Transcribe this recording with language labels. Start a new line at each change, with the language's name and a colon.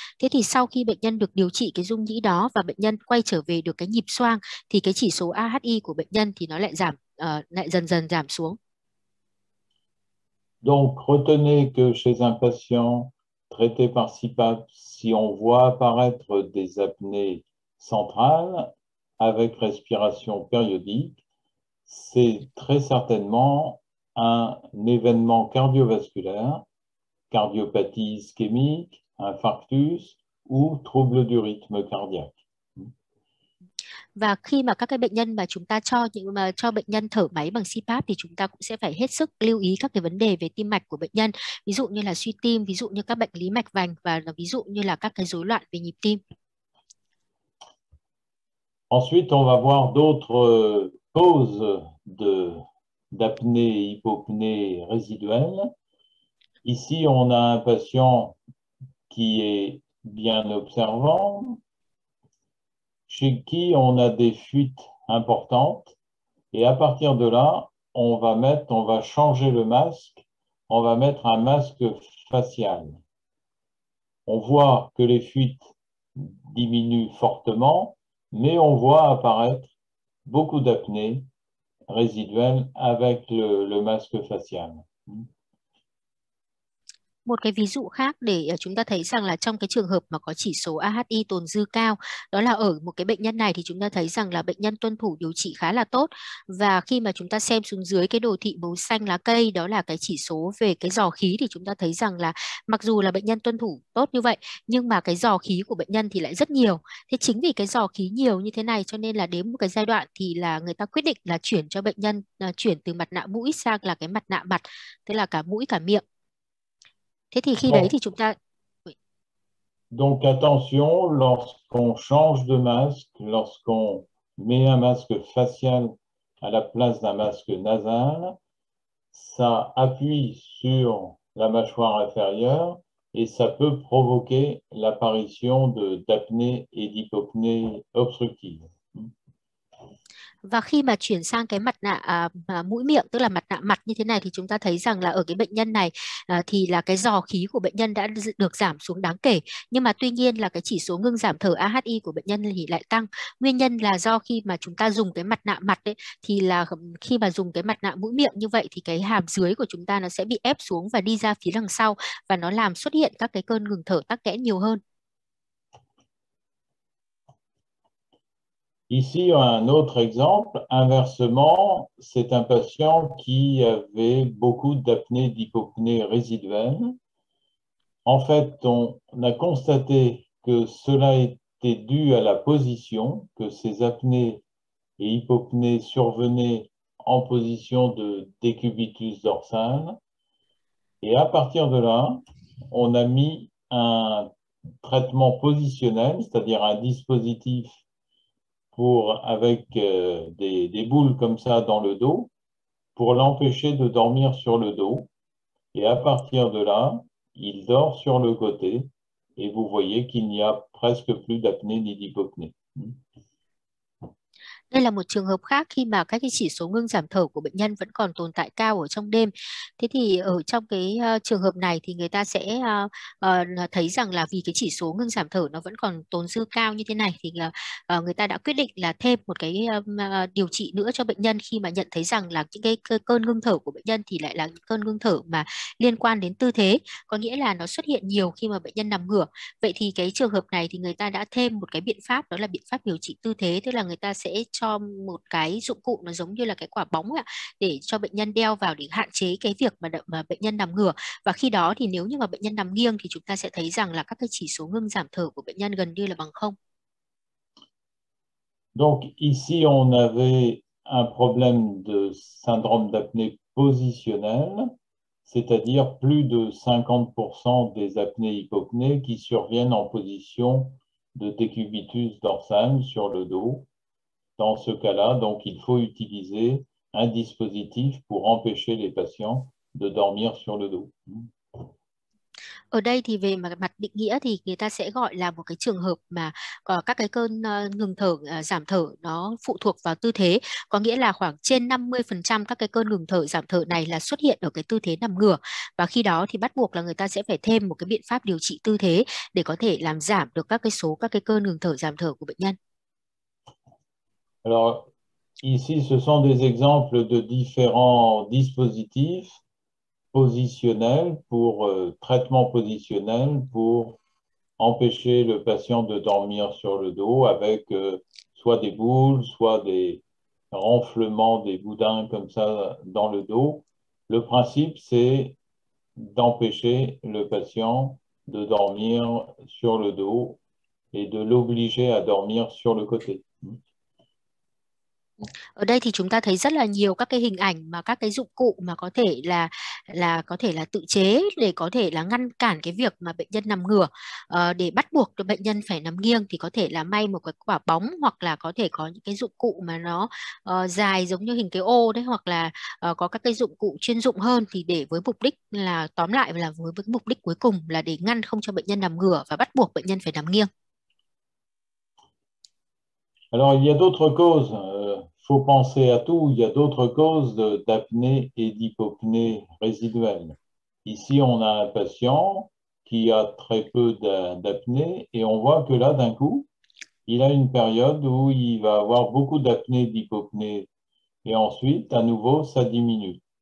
Vietnamese: Thế thì sau khi bệnh nhân được điều trị cái rung nhĩ đó và bệnh nhân quay trở về được cái nhịp xoang thì cái chỉ số AHI của bệnh nhân thì nó lại giảm lại dần dần giảm xuống.
French: Donc, retenez que chez un patient traité par CPAP, si on voit apparaître des apnées centrales avec respiration périodique, c'est très certainement un événement cardiovasculaire, cardiopathie ischémique, infarctus ou trouble du rythme cardiaque.
Vietnamese: Và khi mà các cái bệnh nhân mà chúng ta cho những mà cho bệnh nhân thở máy bằng CPAP thì chúng ta cũng sẽ phải hết sức lưu ý các cái vấn đề về tim mạch của bệnh nhân, ví dụ như là suy tim, ví dụ như các bệnh lý mạch vành và ví dụ như là các cái rối loạn về nhịp tim.
French: Ensuite, on va voir d'autres causes d'apnée, hypopnée résiduelle. Ici, on a un patient qui est bien observant, chez qui on a des fuites importantes. Et à partir de là, on va changer le masque, on va mettre un masque facial. On voit que les fuites diminuent fortement. Mais on voit apparaître beaucoup d'apnées résiduelles avec le masque facial.
Vietnamese: Một cái ví dụ khác để chúng ta thấy rằng là trong cái trường hợp mà có chỉ số AHI tồn dư cao, đó là ở một cái bệnh nhân này thì chúng ta thấy rằng là bệnh nhân tuân thủ điều trị khá là tốt. Và khi mà chúng ta xem xuống dưới cái đồ thị màu xanh lá cây, đó là cái chỉ số về cái giò khí, thì chúng ta thấy rằng là mặc dù là bệnh nhân tuân thủ tốt như vậy, nhưng mà cái giò khí của bệnh nhân thì lại rất nhiều. Thế chính vì cái giò khí nhiều như thế này cho nên là đến một cái giai đoạn thì là người ta quyết định là chuyển cho bệnh nhân chuyển từ mặt nạ mũi sang là cái mặt nạ mặt, tức là cả mũi cả miệng. Thế thì khi đấy
French: Bon.
Vietnamese: thì chúng ta
French: Donc attention, lorsqu'on change de masque, lorsqu'on met un masque facial à la place d'un masque nasal, ça appuie sur la mâchoire inférieure et ça peut provoquer l'apparition d'apnée et d'hypopnée obstructive.
Vietnamese: Và khi mà chuyển sang cái mặt nạ mũi miệng, tức là mặt nạ mặt như thế này, thì chúng ta thấy rằng là ở cái bệnh nhân này thì là cái giò khí của bệnh nhân đã được giảm xuống đáng kể, nhưng mà tuy nhiên là cái chỉ số ngưng giảm thở AHI của bệnh nhân thì lại tăng. Nguyên nhân là do khi mà chúng ta dùng cái mặt nạ mặt đấy, thì là khi mà dùng cái mặt nạ mũi miệng như vậy thì cái hàm dưới của chúng ta nó sẽ bị ép xuống và đi ra phía đằng sau và nó làm xuất hiện các cái cơn ngừng thở tắc nghẽn nhiều hơn.
French: Ici, un autre exemple, inversement, c'est un patient qui avait beaucoup d'apnée d'hypopnée résiduelle. En fait, on a constaté que cela était dû à la position, que ces apnées et hypopnées survenaient en position de décubitus dorsal. Et à partir de là, on a mis un traitement positionnel, c'est-à-dire un dispositif avec des boules comme ça dans le dos, pour l'empêcher de dormir sur le dos. Et à partir de là, il dort sur le côté et vous voyez qu'il n'y a presque plus d'apnée ni d'hypopnée.
Vietnamese: Đây là một trường hợp khác khi mà các cái chỉ số ngưng giảm thở của bệnh nhân vẫn còn tồn tại cao ở trong đêm. Thế thì ở trong cái trường hợp này thì người ta sẽ thấy rằng là vì cái chỉ số ngưng giảm thở nó vẫn còn tồn dư cao như thế này thì người ta đã quyết định là thêm một cái điều trị nữa cho bệnh nhân khi mà nhận thấy rằng là những cái cơn ngưng thở của bệnh nhân thì lại là những cơn ngưng thở mà liên quan đến tư thế, có nghĩa là nó xuất hiện nhiều khi mà bệnh nhân nằm ngửa. Vậy thì cái trường hợp này thì người ta đã thêm một cái biện pháp, đó là biện pháp điều trị tư thế, tức là người ta sẽ cho một cái dụng cụ nó giống như là cái quả bóng ạ, để cho bệnh nhân đeo vào để hạn chế cái việc mà bệnh nhân nằm ngửa. Và khi đó thì nếu như mà bệnh nhân nằm nghiêng thì chúng ta sẽ thấy rằng là các cái chỉ số ngưng giảm thở của bệnh nhân gần như là bằng không.
French: Donc ici, on avait un problème de syndrome d'apnée positionnelle, c'est-à-dire plus de 50% des apnées hypopnées qui surviennent en position de décubitus dorsal sur le dos. Dans ce cas-là, donc il faut utiliser un dispositif pour empêcher les patients de dormir sur le dos.
Vietnamese: Ở đây thì về mặt định nghĩa thì người ta sẽ gọi là một cái trường hợp mà có các cái cơn ngừng thở, giảm thở nó phụ thuộc vào tư thế. Có nghĩa là khoảng trên 50% các cái cơn ngừng thở, giảm thở này là xuất hiện ở cái tư thế nằm ngửa. Và khi đó thì bắt buộc là người ta sẽ phải thêm một cái biện pháp điều trị tư thế để có thể làm giảm được các cái số các cái cơn ngừng thở, giảm thở của bệnh nhân.
French: Alors, ici, ce sont des exemples de différents dispositifs positionnels pour traitement positionnel pour empêcher le patient de dormir sur le dos avec soit des boules, soit des renflements, des boudins comme ça dans le dos. Le principe, c'est d'empêcher le patient de dormir sur le dos et de l'obliger à dormir sur le côté.
Vietnamese: Ở đây thì chúng ta thấy rất là nhiều các cái hình ảnh mà các cái dụng cụ mà có thể là tự chế để có thể là ngăn cản cái việc mà bệnh nhân nằm ngửa, để bắt buộc cho bệnh nhân phải nằm nghiêng, thì có thể là may một cái quả bóng hoặc là có thể có những cái dụng cụ mà nó dài giống như hình cái ô đấy, hoặc là có các cái dụng cụ chuyên dụng hơn, thì để với mục đích là tóm lại là với mục đích cuối cùng là để ngăn không cho bệnh nhân nằm ngửa và bắt buộc bệnh nhân phải nằm nghiêng.
French: Alors, il y a d'autres causes. Faut penser à tout. Il y a d'autres causes d'apnée et d'hypopnée résiduelle. Ici, on a un patient qui a très peu d'apnée et on voit que là, d'un coup, il a une période où il va avoir beaucoup d'apnée, d'hypopnée et ensuite, à nouveau, ça diminue.